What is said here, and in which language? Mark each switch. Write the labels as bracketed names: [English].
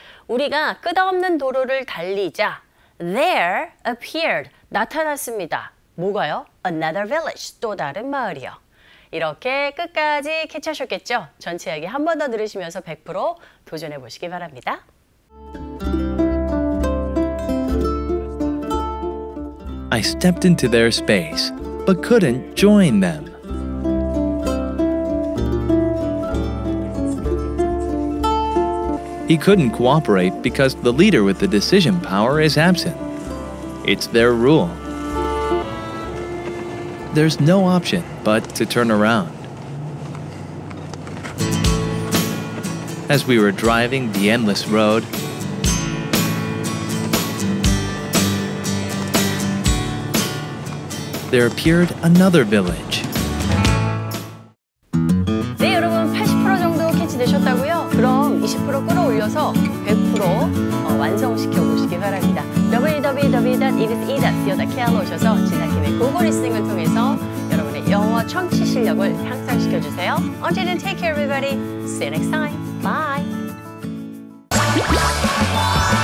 [Korean] 우리가 끝없는 도로를 달리자 [English] there appeared, [Korean] 나타났습니다. 뭐가요? [English] Another village, [Korean] 또 다른 마을이요. 이렇게 끝까지 캐치하셨겠죠? 전체 이야기 한 번 더 들으시면서 100% 도전해 보시기 바랍니다. [English] I stepped into their space, but couldn't join them. He couldn't cooperate because the leader with the decision power is absent. It's their rule. There's no option but to turn around. As we were driving the endless road, there appeared another village. [Korean] 네, 여러분 80% 정도 캐치 되셨다고요? 그럼 20% 끌어올려서 100% 완성시켜 보시기 바랍니다. www.edith.co.kr 오셔서 지나 김에 고고 리스닝을 통해서 여러분의 영어 청취 실력을 향상시켜 주세요. [English] Until then, take care, everybody. See you next time. Bye.